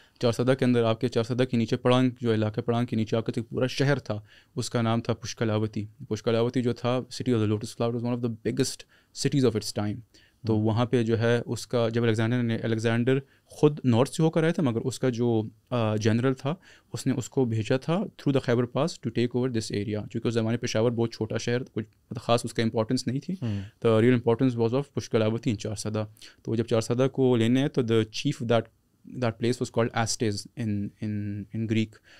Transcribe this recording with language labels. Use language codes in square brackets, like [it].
[ur] چارسدا کے اندر آپ کے چارسدا کے نیچے پڑانگ جو علاقہ, پڑانگ کے نیچے آپ کا ایک پورا شہر تھا, اس کا نام تھا پشکلاوتی. [en] Pushkalavati [ur] جو تھا [en] City of the lotus flower, one of the biggest cities of its time. [ur] تو وہاں پہ جو ہے اس کا, جب الیگزینڈر نے, الیگزینڈر خود نارتھ سے ہو کر آیا تھا, مگر اس کا جو جنرل تھا اس نے اس کو بھیجا تھا [en] Through the Khyber pass to take over this area. [ur] چونکہ اس زمانے پشاور بہت چھوٹا شہر, کچھ خاص اس کا امپورٹنس نہیں تھی. [en] The real importance was of Pushkalavati in Charsadda. [ur] تو جب چارسدا کو لینے ہیں تو [en] The chief that place was called Astes in Greek.